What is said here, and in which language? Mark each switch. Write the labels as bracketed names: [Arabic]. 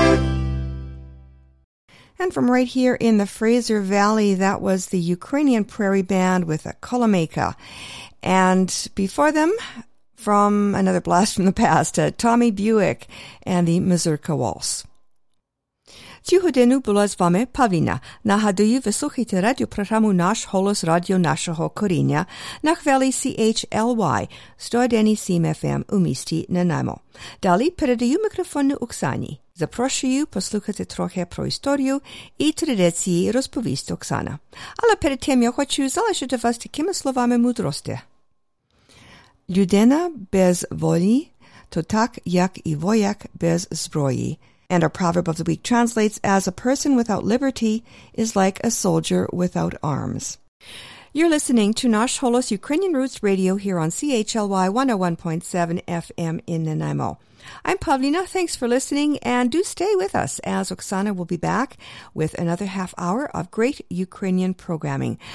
[English] coming from right here in the Fraser Valley. That was the Ukrainian Prairie Band with a Kolomeika. And before them, from another blast from the past, Tommy Buick and the Mazurka Waltz. [Ukrainian] Цю годину була з вами Павліна. Нагадую, ви слухаєте радіопрограму «Наш голос» радіо нашого коріння на хвилі CHLY 101.7 FM у місті Нанаймо. Далі передаю мікрофон Оксані. Запрошую послухати трохи про історію і традиції, розповість Оксана. Але перед тим я хочу залишити вас такими словами мудрості. Людина без волі, то так, як і вояк без зброї. [English] And our proverb of the week translates as a person without liberty is like a soldier without arms. You're listening to Nash Holos Ukrainian Roots Radio here on CHLY 101.7 FM in Nanaimo. I'm Pavlina. Thanks for listening and do stay with us as Oksana will be back with another half hour of great Ukrainian programming.